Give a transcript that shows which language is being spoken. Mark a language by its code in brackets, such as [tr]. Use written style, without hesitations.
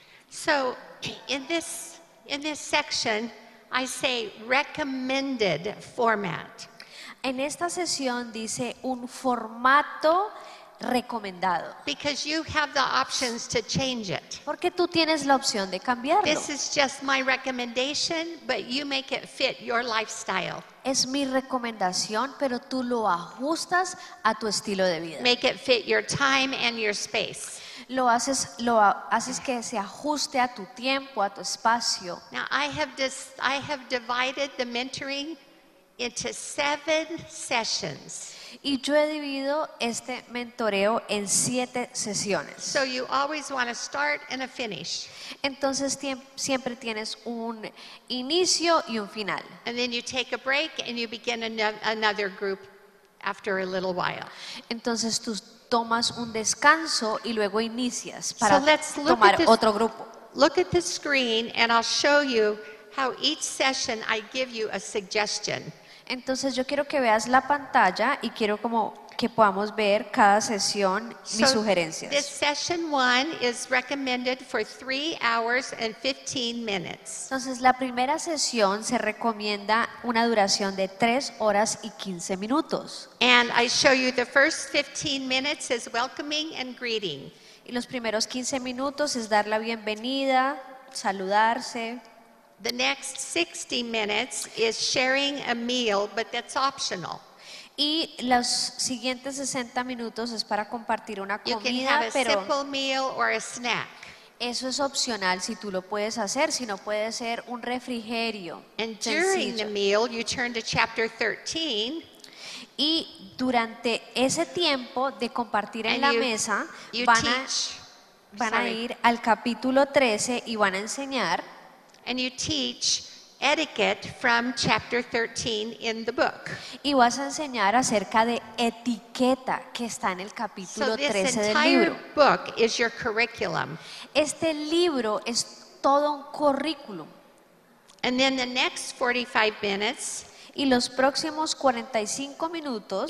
[en] So, in this section, I say recommended format. [es] En esta sesión dice un formato recomendado. [en] Because you have the options to change it. [es] Porque tú tienes la opción de cambiarlo. [en] This is just my recommendation, but you make it fit your lifestyle. [es] Es mi recomendación, pero tú lo ajustas a tu estilo de vida. [en] Make it fit your time and your space. [es] Lo haces que se ajuste a tu tiempo, a tu espacio. [en] Now I have divided the mentoring into 7 sessions. [es] Y yo he dividido este mentoreo en 7 sesiones. [en] So you always want to start and a finish. [es] Entonces siempre tienes un inicio y un final. [en] And then you take a break and you begin another group after a little while. [es] Entonces tú tomas un descanso y luego inicias para tomar otro grupo. [en] Look at the screen and I'll show you how each session I give you a suggestion. [es] Entonces yo quiero que veas la pantalla y quiero como que podamos ver cada sesión mis sugerencias. [en] This session 1 is recommended for 3 hours and 15 minutes. [es] Entonces la primera sesión se recomienda una duración de 3 horas y 15 minutos. [en] And I show you the first 15 minutes is welcoming and greeting. [es] Y los primeros 15 minutos es dar la bienvenida, saludarse. [en] The next 60 minutes is sharing a meal, but that's optional. [es] Y los siguientes 60 minutos es para compartir una comida, pero... [en] You can have a simple meal or a snack. [es] Eso es opcional si tú lo puedes hacer, si no puede ser un refrigerio. [en] And during the meal, you turn to chapter 13. [es] Y durante ese tiempo de compartir en la mesa, van a ir al capítulo 13 y van a enseñar. [en] And you teach etiquette from chapter 13 in the book. [es] Y vas a enseñar acerca de etiqueta que está en el capítulo 13 del libro. [en] So this entire book is your curriculum. [es] Este libro es todo un currículum. [en] And then the next 45 minutes. [es] Y los próximos 45 minutos.